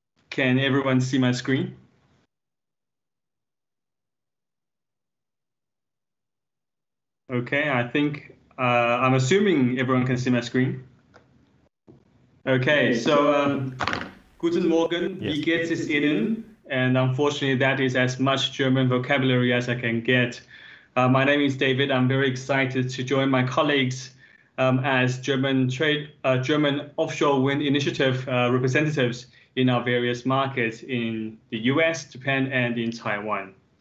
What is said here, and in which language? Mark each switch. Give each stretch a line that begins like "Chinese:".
English: Can everyone see my screen? Okay, I think I'm assuming everyone can see my screen. Okay, so
German: Guten Morgen, wie geht's es Ihnen?
English: And unfortunately, that is as much German vocabulary as I can get. My name is David. I'm very excited to join my colleagues as German Offshore Wind Initiative representatives in our various markets in the US, Japan, and in Taiwan.